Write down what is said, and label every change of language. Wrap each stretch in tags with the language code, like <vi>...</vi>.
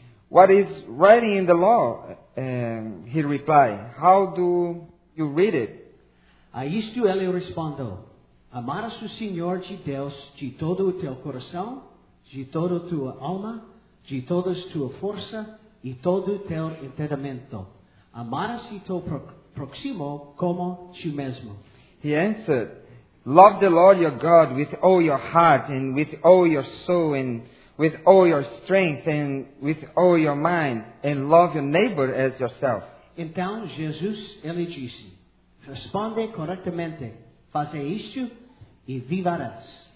<en>What is writing in the law? He replied, how do you read it?</en> <pt>A isto ele respondeu, amarás o Senhor de Deus de todo o teu coração, de toda a tua alma, de toda a tua força e todo o teu entendimento. Amarás o teu próximo como ti mesmo.</pt> <en>He answered, love the Lord your God with all your heart and with all your soul and with all your strength and with all your mind and love your neighbor as yourself.</en> <pt>Então Jesus ele disse, responde corretamente, faça isto e viverás.</pt>